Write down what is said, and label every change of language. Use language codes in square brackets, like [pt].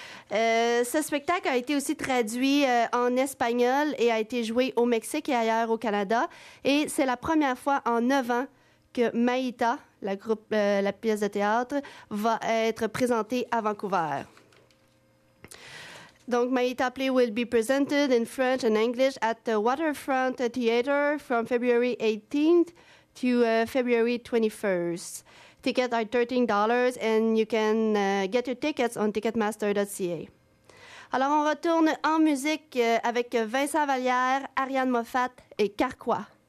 [fr] Ce spectacle a été aussi traduit en espagnol et a été joué au Mexique et ailleurs au Canada. Et c'est la première fois en 9 ans que Maïta, la pièce de théâtre, va être présentée à Vancouver. [en] Donc, Maïta Play will be presented in French and English at the Waterfront Theater from February 18th. To February 21st. Tickets are $13 and you can get your tickets on ticketmaster.ca. [fr] Alors, on retourne en musique avec Vincent Vallière, Ariane Moffat et Carquois.